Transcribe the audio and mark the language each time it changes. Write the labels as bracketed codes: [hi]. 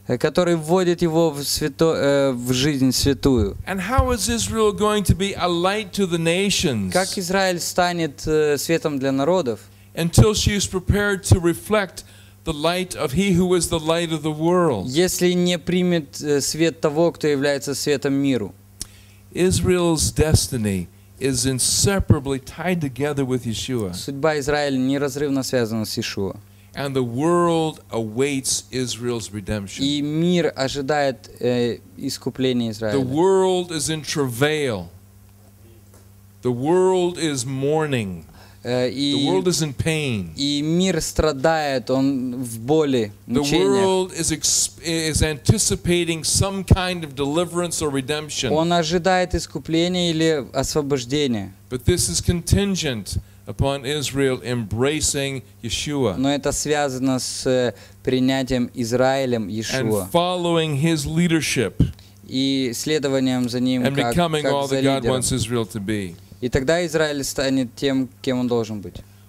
[ru] Который вводит его в жизнь святую. [en] And how is Israel going to be a light to the nations? [ru] Как Израиль станет светом для народов? [en] Until she is prepared to reflect the light of He who is the light of the world. [ru] Если не примет свет того, кто является светом миру. [en] Israel's destiny is inseparably tied together with Yeshua. [ru] Судьба Израиля неразрывно связана с Иешуа. [en] And the world awaits Israel's redemption. [ru] И мир ожидает искупления Израиля. [en] The world is in travail. The world is mourning. The world is in pain. [ru] И мир страдает, он в боли, мучениях. [en] The world is anticipating some kind of deliverance or redemption. [ru] Он ожидает искупления или освобождения. [en] But this is contingent upon Israel embracing Yeshua. [ru] Но это связано с принятием Израилем Иешуа. [en] And following his leadership. [ru] И следованием за ним как лидером. [en] And becoming all that God wants Israel to be. [ru] И тогда Израиль станет тем, кем он должен быть.